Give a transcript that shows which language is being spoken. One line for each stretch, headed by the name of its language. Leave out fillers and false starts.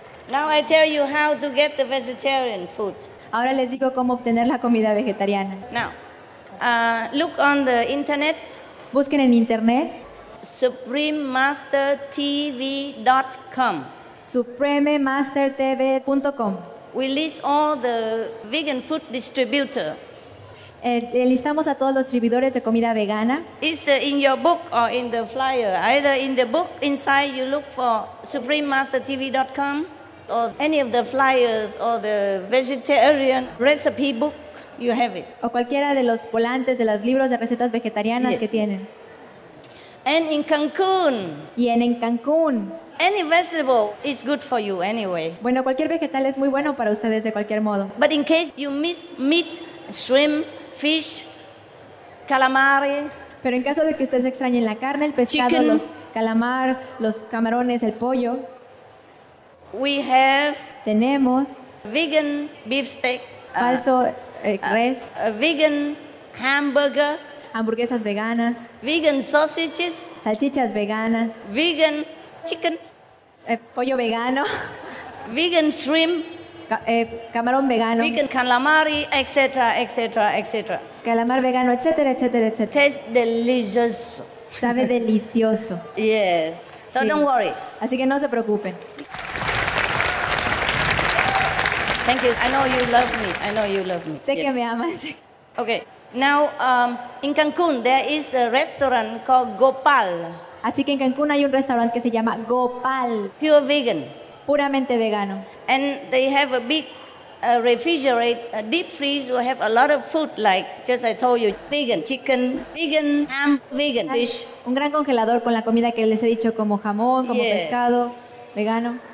English: Now I tell you how to get the vegetarian food.
Spanish: Ahora les digo cómo obtener la comida vegetariana.
English: Now, look on the internet.
Spanish: Busquen en internet.
English: SupremeMasterTV.com.
Spanish: SupremeMasterTV.com.
English: We list all the vegan food distributor.
Spanish: Listamos a todos los distribuidores de comida vegana.
English: It's in your book or in the flyer. Either in the book inside you look for SupremeMasterTV.com. Or any of the flyers or the vegetarian recipe book, you have it.
Spanish: O cualquiera de los volantes de los libros de recetas vegetarianas que tienen.
English: And in Cancun.
Spanish: Y en Cancun.
English: Any vegetable is good for you anyway.
Spanish: Bueno, cualquier vegetal es muy bueno para ustedes de cualquier modo.
English: But in case you miss meat, shrimp, fish, calamari.
Spanish: Pero en caso de que ustedes extrañen la carne, el pescado,
English: chicken,
Spanish: los calamar, los camarones, el pollo.
English: We have
Spanish: tenemos
English: vegan beefsteak,
Spanish: falso res,
English: vegan hamburger,
Spanish: hamburguesas veganas,
English: vegan sausages,
Spanish: salchichas veganas,
English: vegan chicken,
Spanish: pollo vegano,
English: vegan shrimp,
Spanish: camarón vegano,
English: vegan calamari, etc., etc., etc.
Spanish: Calamar vegano, etc., etc., etc.
English: Tastes delicious.
Spanish: Sabe delicioso.
English: Yes. So sí. Don't worry.
Spanish: Así que no se preocupen.
English: Thank you. I know you love me. I know you love me.
Spanish: Sé que me amas.
English: Okay. Now, in Cancun, there is a restaurant called Gopal.
Spanish: Así que en Cancún hay un restaurante que se llama Gopal.
English: Pure vegan.
Spanish: Puramente vegano.
English: And they have a big refrigerator, a deep freeze will have a lot of food, like just I told you, vegan chicken, vegan ham, vegan fish.
Spanish: Un gran congelador con la comida que les he dicho, como jamón, como pescado, vegano.